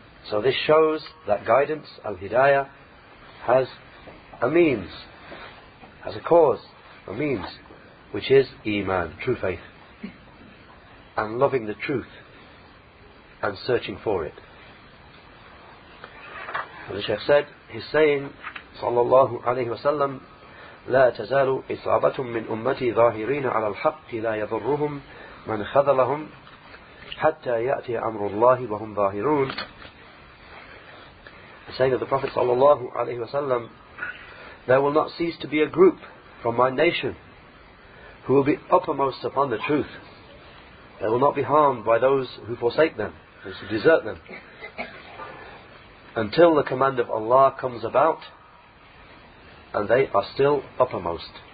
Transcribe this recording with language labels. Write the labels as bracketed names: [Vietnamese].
[English] So this shows that guidance, al-hidayah, has a means, has a cause, a means, which is iman, true faith, and loving the truth, and searching for it. As the Shaykh said, he's saying, sallallahu alayhi wa sallam, [Arabic] لا تزال إصابة من أمتي ظاهرين على الحق لا يضرهم من خذلهم حتى يأتي أمر الله وهم ظاهرون. [English] The saying of the Prophet sallallahu alayhi wa sallam, there will not cease to be a group from my nation who will be uppermost upon the truth. They will not be harmed by those who forsake them, those who desert them, until the command of Allah comes about and they are still uppermost.